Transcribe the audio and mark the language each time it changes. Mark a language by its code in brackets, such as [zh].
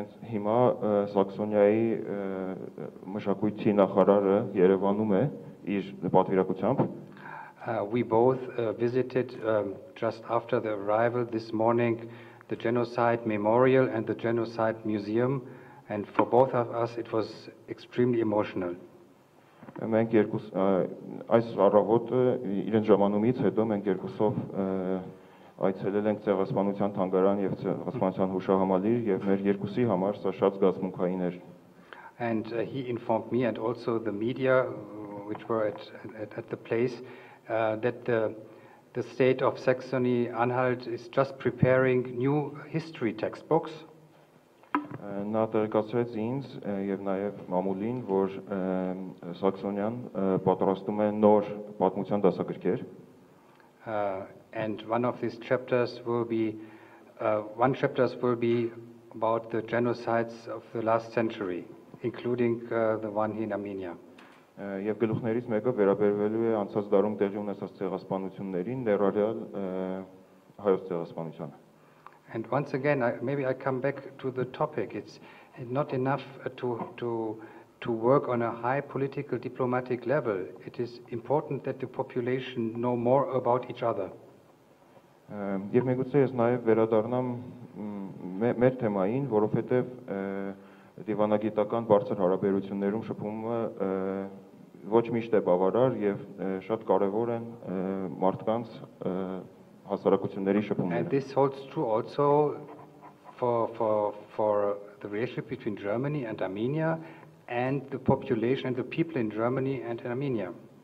[hy] Հիմա Սաքսոնիայի մշակույթի նախարարը Երևանում է իր պատվիրակությամբ. [en] We both visited just after the arrival this morning the genocide memorial and the genocide museum, and for both of us it was extremely emotional. [hy] Մենք երկուս այս առավոտը իրեն ժամանումից հետո մենք երկուսով այցելել ենք ցեղասպանության թանգարան եւ ցեղասպանության հուշահամալիր, եւ մեր երկուսի համար սա շատ զգացմունքային էր. [en] And he informed me and also the media which were at the place that the state of Saxony-Anhalt is just preparing new history textbooks. [hy] Նա տեղեկացրեց ինձ եւ նաեւ մամուլին, որ Սաքսոնիան պատրաստում է նոր պատմության դասագրքեր. [en] And one of these chapters will be one chapters will be about the genocides of the last century, including the one in Armenia. [hy] Եվ գլուխներից մեկը վերաբերվելու է անցած դարում տեղի ունեցած ցեղասպանություններին, ներառյալ հայոց ցեղասպանությանը. [en] And once again, maybe I come back to the topic. It's not enough to work on a high political diplomatic level. It is important that the population know more about each other. [hy] Եվ միգուցե ես նաև վերադառնամ մեր թեմային, որովհետև դիվանագիտական բարձր հարաբերություններում շփումը ոչ միշտ է բավարար եւ շատ կարեւոր են մարդկանց հասարակությունների շփումները. [en] And this holds true also for the relationship between Germany and Armenia and the population and the people in Germany and in Armenia.